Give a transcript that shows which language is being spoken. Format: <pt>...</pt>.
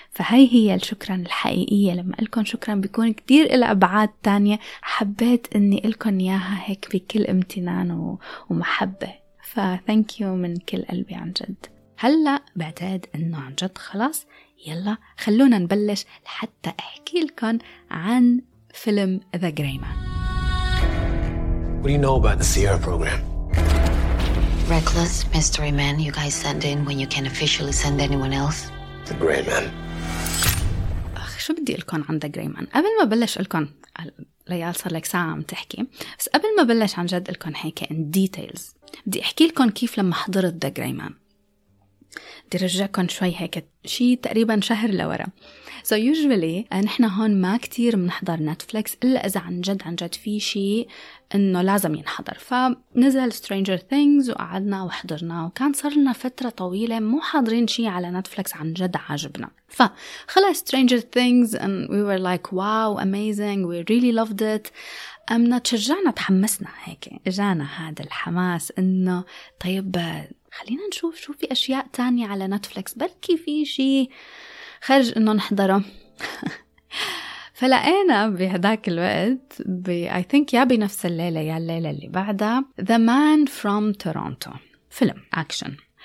<ar>فهي هي الشكرا الحقيقية. لما قلكن شكرا بيكون كتير الابعاد تانية حبيت اني قلكن اياها هيك بكل امتنان ومحبة.</ar> <en>فثانك يو</en> <ar>من كل قلبي عن جد. هلأ بعتقد انه عن جد خلاص، يلا خلونا نبلش لحتى احكي لكم عن فيلم The Gray Man.</ar> <en>What do you know about the Sierra program? Reckless mystery man you guys send in when you can officially send anyone else. The Gray Man.</en> <ar>اخ شو بدي لكم عن The Gray Man؟ قبل ما بلش لكم، ليال صار لك ساعة عم تحكي، بس قبل ما بلش عن جد لكم هيك</ar> <en>in details،</en> <ar>بدي احكي لكم كيف لما حضرت The Gray Man. بدي رجعكم شوي هيك شي تقريبا شهر لورا.</ar> <en>So usually</en> <ar>نحن هون ما كتير منحضر نتفليكس إلا إذا عن جد في شي إنه لازم ينحضر. فنزل Stranger Things وقعدنا وحضرنا، وكان صار لنا فترة طويلة مو حاضرين شي على نتفليكس عن جد عاجبنا. فخلص</ar> <en>Stranger Things and we were like wow amazing we really loved it.</en> <ar>أمنا تشجعنا تحمسنا هيك، إجانا هذا الحماس إنه طيب خلينا نشوف شو في أشياء تانية على نتفليكس، بلكي في شيء خرج إنه نحضره. فلقينا بهداك الوقت</ar> <en>I think</en> <ar>يا بنفس الليلة يا الليلة اللي بعدها The Man from Toronto، فيلم أكشن.</ar>